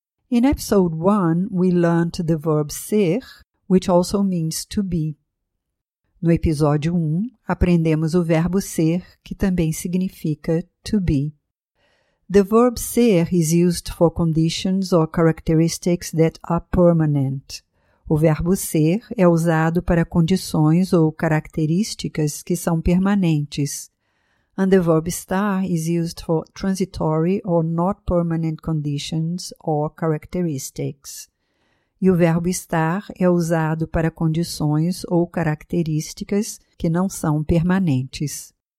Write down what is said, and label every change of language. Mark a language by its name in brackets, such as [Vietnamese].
[English] In episode 1, we learned the verb ser, which also means to be. [Portuguese] No episódio 1, aprendemos o verbo ser, que também significa to be. [English] The verb ser is used for conditions or characteristics that are permanent. [Portuguese] O verbo ser é usado para condições ou características que são permanentes. [English] And the verb estar is used for transitory or not permanent conditions or characteristics. [Portuguese] E o verbo estar é usado para condições ou características que não são permanentes.